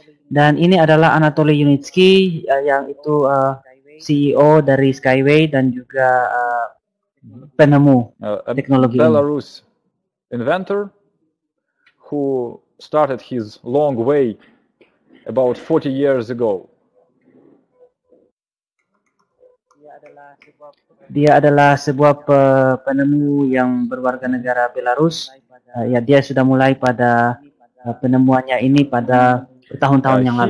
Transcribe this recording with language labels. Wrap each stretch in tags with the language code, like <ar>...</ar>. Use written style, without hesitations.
<id>Dan ini adalah Anatoly Yunitsky yang itu CEO dari Skyway dan juga penemu teknologi.</id> <en>Belarus inventor who started his long way about 40 years ago.</en> <id>Dia adalah sebuah penemu yang berwarga negara Belarus. Ya, dia sudah mulai pada penemuannya ini pada bertahun-tahun yang lalu.</id>